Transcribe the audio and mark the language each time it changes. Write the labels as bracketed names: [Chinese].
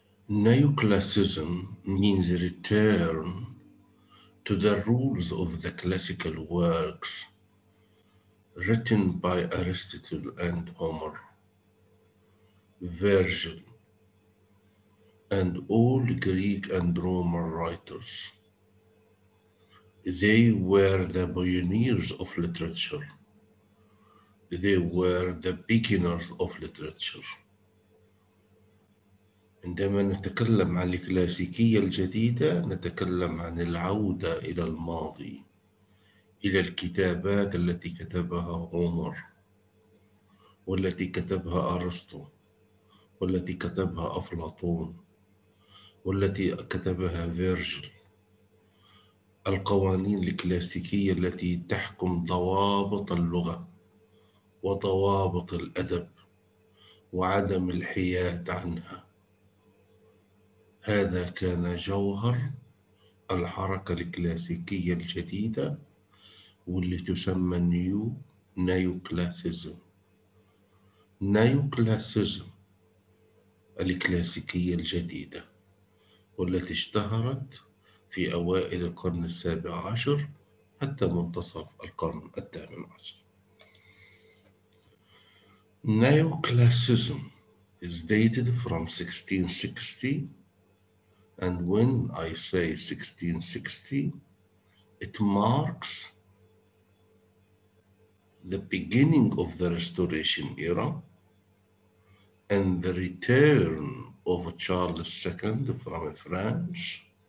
[English] Neoclassicism means return to the rules of the classical works written by Aristotle and Homer, Virgil, and all Greek and Roman writers. They were the pioneers of literature. They were the beginners of literature. [Arabic] عندما نتكلم عن الكلاسيكية الجديدة نتكلم عن العودة إلى الماضي، إلى الكتابات التي كتبها هومر والتي كتبها أرسطو والتي كتبها أفلاطون والتي كتبها فيرجل، القوانين الكلاسيكية التي تحكم ضوابط اللغة وضوابط الأدب وعدم الحياد عنها. هذا كان جوهر الحركة الكلاسيكية الجديدة واللي تسمى نيو كلاسيزم. نيو كلاسيزم الكلاسيكية الجديدة والتي اشتهرت في أوائل القرن السابع عشر حتى منتصف القرن الثامن عشر. [English] Neoclassicism is dated from 1660, and when I say 1660, it marks the beginning of the Restoration era and the return of Charles II from France,